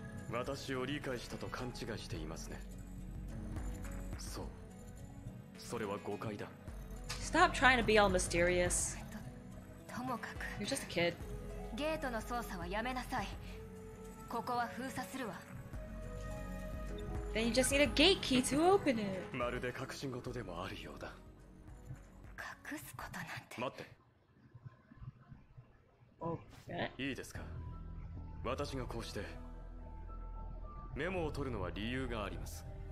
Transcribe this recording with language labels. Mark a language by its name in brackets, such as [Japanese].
[Japanese] 私を理解したと勘違いしていますね。そう。それは誤解だ。 [English] Stop trying to be all mysterious. [Japanese] ともかく。 [English] You're just a kid. [Japanese] ゲートの操作はやめなさい。ここは封鎖するわ。 [English] Then you just need a gate key to open it. [Japanese] まるで隠し事でもあるようだ。隠すことなんて。待って。 [English] Okay. [Japanese] いいですか。私がこうしてメモを取るのは理由があります。